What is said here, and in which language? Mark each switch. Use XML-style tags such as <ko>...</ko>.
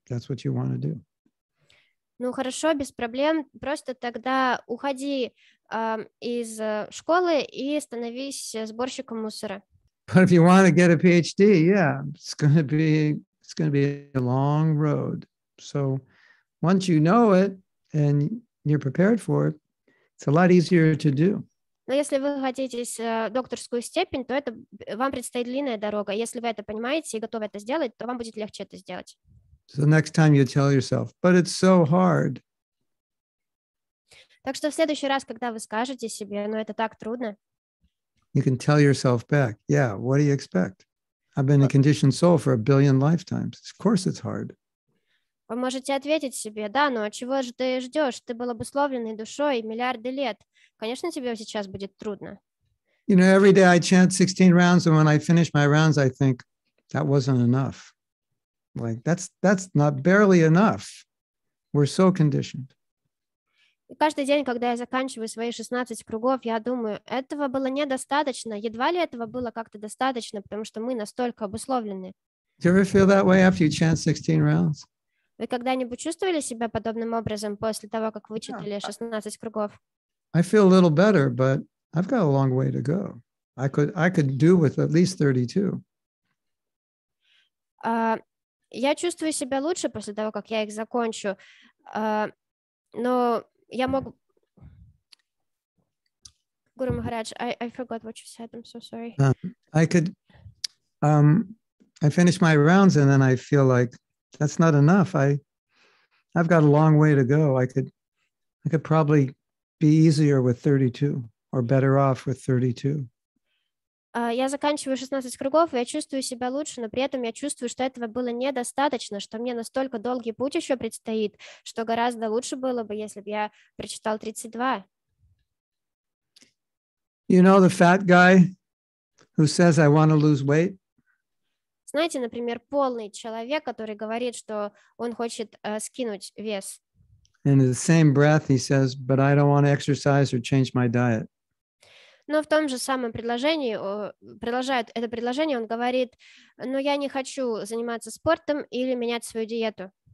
<en>That's what you want to do.</en> <ru>Ну хорошо, без проблем. Просто тогда уходи из школы и становись сборщиком мусора.</ru> <en>But if you want to get a PhD, yeah, it's going to be a long road. So once you know it and you're prepared for it, it's a lot easier to do.</en> <ru>Но если вы хотите докторскую степень, то это вам предстоит длинная дорога. Если вы это понимаете и готовы это сделать, то вам будет легче это сделать.</ru> <en>So next time you tell yourself, but it's so hard.</en> <ru>Так что в следующий раз, когда вы скажете себе, но это так трудно,</ru> <en>you can tell yourself back, yeah, what do you expect? I've been a conditioned soul for a billion lifetimes. Of course it's hard.</en> <ru>Вы можете ответить себе, да, но чего же ты ждешь? Ты был обусловленной душой миллиарды лет. Конечно, тебе сейчас будет трудно.</ru> <en>You know, every day I chant 16 rounds, and when I finish my rounds, I think, that wasn't enough. Like, that's not barely enough. We're so conditioned.</en> <ru>И каждый день, когда я заканчиваю свои 16 кругов, я думаю, этого было недостаточно, едва ли этого было как-то достаточно, потому что мы настолько обусловлены.</ru> <en>Do you ever feel that way after you chant 16 rounds?</en> <ru>Вы когда-нибудь чувствовали себя подобным образом после того, как вы читали 16 кругов?</ru> <en>I feel a little better, but I've got a long way to go. I could do with at least 32.</en> <ru>Я чувствую себя лучше после того, как я их закончу. Но я могу...</ru> <en>Гуру Махарадж, I forgot what you said. I'm so sorry. I finish my rounds and then I feel like that's not enough. I've got a long way to go. I could probably be easier with 32 or better off with 32.</en> <ru>Я заканчиваю 16 кругов, и я чувствую себя лучше, но при этом я чувствую, что этого было недостаточно, что мне настолько долгий путь еще предстоит, что гораздо лучше было бы, если бы я прочитал 32.</ru> <en>You know the fat guy who says I want to lose weight?</en> <ru>Знаете, например, полный человек, который говорит, что он хочет скинуть вес.</ru> <en>In the same breath he says, but I don't want to exercise or change my diet.</en> <ru>Но в том же самом предложении, продолжает это предложение, он говорит, но я не хочу заниматься спортом или менять свою диету.</ru>